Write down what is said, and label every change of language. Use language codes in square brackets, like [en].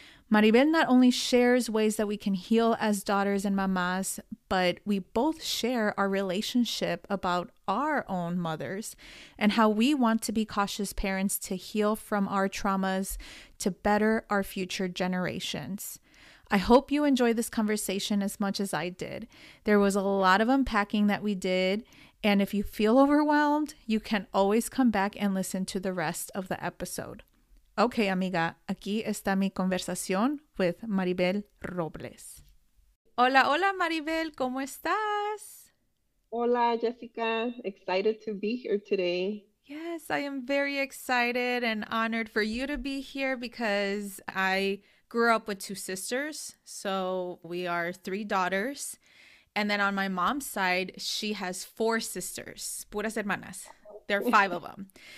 [en] Maribel not only shares ways that we can heal as daughters and mamas, but we both share our relationship about our own mothers and how we want to be cautious parents to heal from our traumas to better our future generations. I hope you enjoy this conversation as much as I did. There was a lot of unpacking that we did, and if you feel overwhelmed, you can always come back and listen to the rest of the episode. [es] Okay, amiga, aquí está mi conversación [en] with [es] Maribel Robles. Hola, hola, Maribel, ¿cómo estás? [en] Hola, Jessica, excited to be here today. Yes, I am very excited and honored for you to be here because I grew up with two sisters, so we are three daughters. And then on my mom's side, she has four sisters, [es] puras hermanas. [en] There are five of them.